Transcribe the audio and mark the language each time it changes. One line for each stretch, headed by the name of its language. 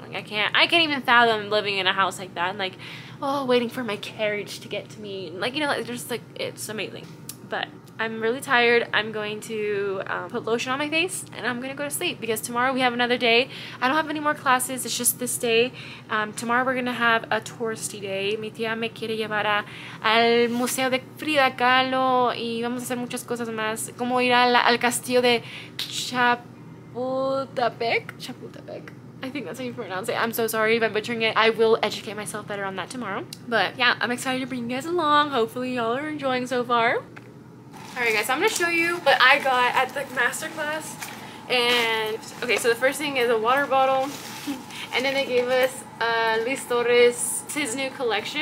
English: Like, I can't even fathom living in a house like that. And like, oh, waiting for my carriage to get to me. And like, you know, like, just like, it's amazing. But I'm really tired. I'm going to put lotion on my face and I'm going to go to sleep because tomorrow we have another day. I don't have any more classes. It's just this day. Tomorrow we're going to have a touristy day.
Spanish: Mi tía me quiere llevar al Museo de Frida Kahlo y vamos a hacer muchas cosas más. Como ir al Castillo de Chapultepec.
English: I think that's how you pronounce it. I'm so sorry if I'm butchering it. I will educate myself better on that tomorrow. But yeah, I'm excited to bring you guys along. Hopefully y'all are enjoying so far. Alright guys, so I'm going to show you what I got at the masterclass. And okay, so the first thing is a water bottle. And then they gave us Luis Torres, his new collection.